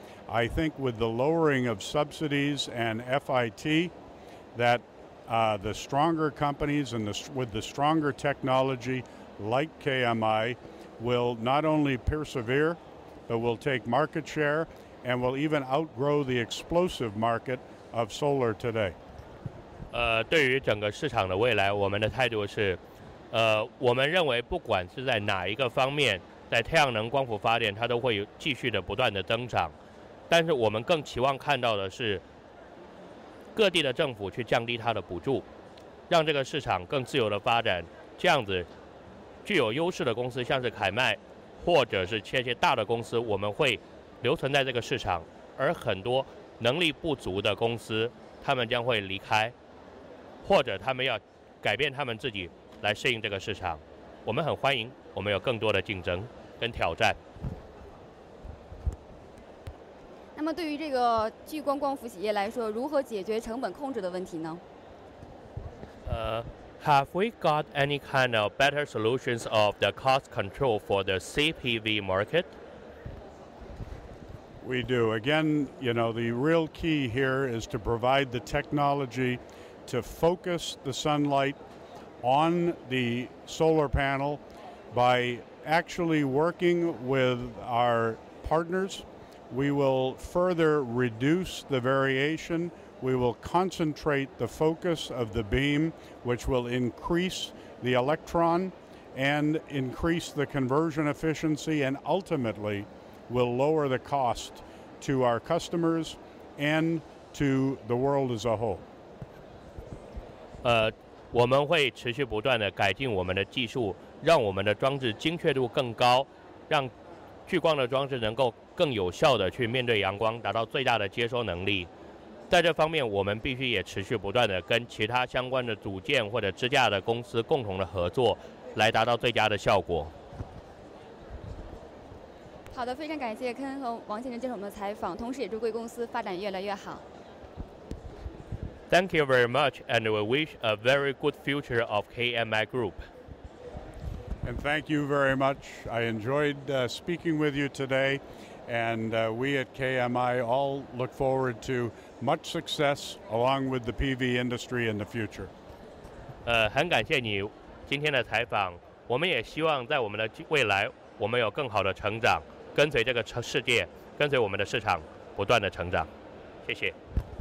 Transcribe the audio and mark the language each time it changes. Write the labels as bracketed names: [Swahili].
[English] I think with the lowering of subsidies and FIT that the stronger companies and with the stronger technology like KMI will not only persevere, but will take market share and will even outgrow the explosive market of solar today. [Chinese] 对于整个市场的未来，我们的态度是，我们认为不管是在哪一个方面，在太阳能光伏发电它都会继续的不断的增长，但是我们更期望看到的是各地的政府去降低它的补助，让这个市场更自由的发展，这样子具有优势的公司像是凯迈或者是这些大的公司我们会留存在这个市场，而很多能力不足的公司他们将会离开，或者他们要改变他们自己来适应这个市场，我们很欢迎我们有更多的竞争跟挑战。那么对于这个聚光光伏企业来说，如何解决成本控制的问题呢？ [English] Have we got any kind of better solutions of the cost control for the CPV market? We do. Again, you know, the real key here is to provide the technology to focus the sunlight on the solar panel by actually working with our partners. We will further reduce the variation. We will concentrate the focus of the beam, which will increase the electron and increase the conversion efficiency and ultimately will lower the cost to our customers and to the world as a whole. [Chinese] 我们会持续不断地改进我们的技术，让我们的装置精确度更高，让聚光的装置能够更有效地去面对阳光，达到最大的接收能力。在这方面，我们必须也持续不断地跟其他相关的组件或者支架的公司共同的合作，来达到最佳的效果。好的，非常感谢Ken和王先生接受我们的采访，同时也祝贵公司发展越来越好。 [English] Thank you very much, and we wish a very good future of KMI Group. And thank you very much. I enjoyed speaking with you today, and we at KMI all look forward to much success along with the PV industry in the future. [Chinese] 很感谢你今天的采访，我们也希望在我们的未来，我们有更好的成长，跟随这个世界，跟随我们的市场不断的成长。谢谢。